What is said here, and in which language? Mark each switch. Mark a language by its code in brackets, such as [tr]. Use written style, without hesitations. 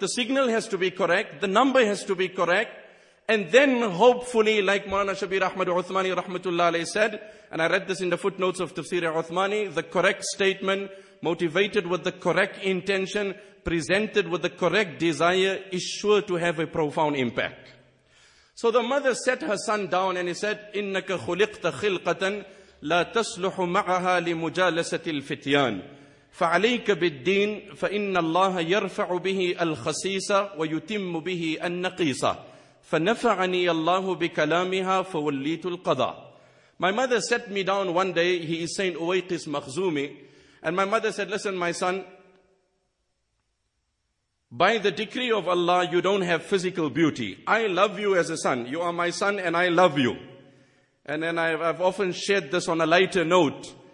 [en] The signal has to be correct. The number has to be correct. And then hopefully, like Maulana Shabir Ahmad Uthmani Rahmatullah Alayhi said, and I read this in the footnotes of Tafsir Uthmani, the correct statement, motivated with the correct intention, presented with the correct desire, is sure to have a profound impact. So the mother set her son down and he said, [ar] إِنَّكَ خُلِقْتَ خِلْقَةً لَا تَصْلُحُ مَعَهَا لِمُجَالَسَةِ الْفِتْيَانِ فَعَلَيْكَ بِالدِّينِ فَإِنَّ اللَّهَ يَرْفَعُ بِهِ الْخَسِيسَ وَيُتِمُّ بِهِ النَّقِيسَ فَنَفَعَنِي اللَّهُ بِكَلَامِهَا فَوَلِّيتُ الْقَضَى. [en] My mother set me down one day, he is saying Uwaiqis Makhzumi, and my mother said, listen my son, by the decree of Allah, you don't have physical beauty. I love you as a son. You are my son and I love you. And then I've often shared this on a lighter note.